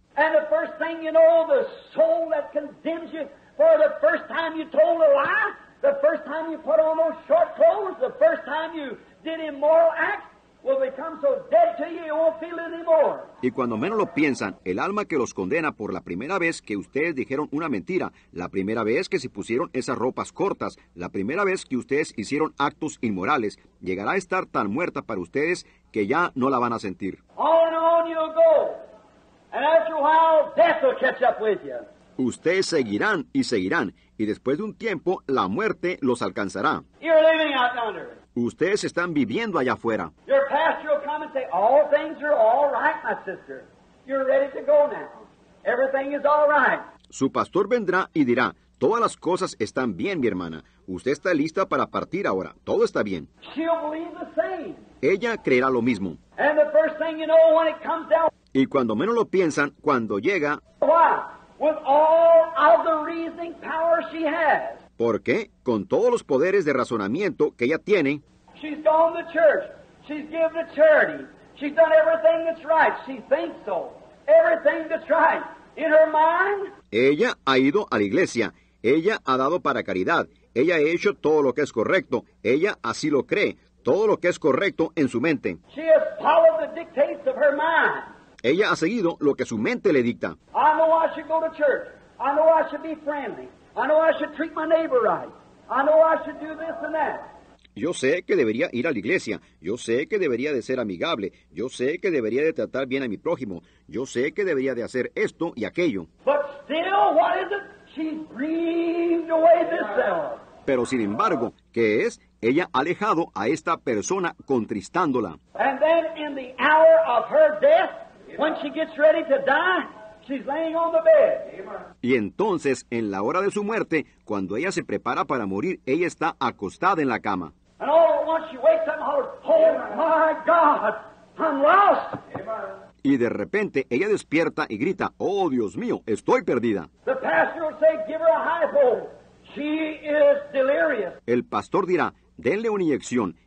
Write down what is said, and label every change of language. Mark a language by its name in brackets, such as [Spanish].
[English] And the first thing you know, the soul that condemns you for the first time you told a lie, the first time you put on those short clothes, the first time you did immoral acts, will become so dead to you, you won't feel it anymore. [Spanish] Y cuando menos lo piensan, el alma que los condena por la primera vez que ustedes dijeron una mentira, la primera vez que se pusieron esas ropas cortas, la primera vez que ustedes hicieron actos inmorales, llegará a estar tan muerta para ustedes que ya no la van a sentir. [English] On and on you'll go. And after a while, death will catch up with you. [Spanish] Ustedes seguirán y seguirán, y después de un tiempo, la muerte los alcanzará. [English] You're living out yonder. [Spanish] Ustedes están viviendo allá afuera. [English] Your pastor will come and say, all things are all right, my sister. You're ready to go now. Everything is all right. [Spanish] Su pastor vendrá y dirá, todas las cosas están bien, mi hermana. Usted está lista para partir ahora. Todo está bien. [English] She'll believe the same. [Spanish] Ella creerá lo mismo. [English] And the first thing you know, when it comes down. [Spanish] Y cuando menos lo piensan, cuando llega, [English] why? With all of the reasoning power she has. [Spanish] ¿Por qué? Con todos los poderes de razonamiento que ella tiene. [English] She's gone to church. She's given to charity. She's done everything that's right. She thinks so. Everything that's right. In her mind. [Spanish] Ella ha ido a la iglesia. Ella ha dado para caridad. Ella ha hecho todo lo que es correcto. Ella así lo cree. Todo lo que es correcto en su mente. [English] She has followed the dictates of her mind. [Spanish] Ella ha seguido lo que su mente le dicta. [English] I know I should go to church. I know I should be friendly. I know I should treat my neighbor right. I know I should do this and that. [Spanish] Yo sé que debería ir a la iglesia. Yo sé que debería de ser amigable. Yo sé que debería de tratar bien a mi prójimo. Yo sé que debería de hacer esto y aquello. [English] But still, what is it? She's grieved away this self. [Spanish] Pero sin embargo, ¿qué es? Ella ha alejado a esta persona contristándola. [English] And then in the hour of her death, when she gets ready to die, she's laying on the bed. [Spanish] Y entonces, en la hora de su muerte, cuando ella se prepara para morir, ella está acostada en la cama. [English] And all at once she wakes up and hollers, oh my God, I'm lost. [Spanish] Y de repente, ella despierta y grita, oh Dios mío, estoy perdida. [English] The pastor will say, give her a hypo. She is delirious. [Spanish] El pastor dirá, denle una inyección.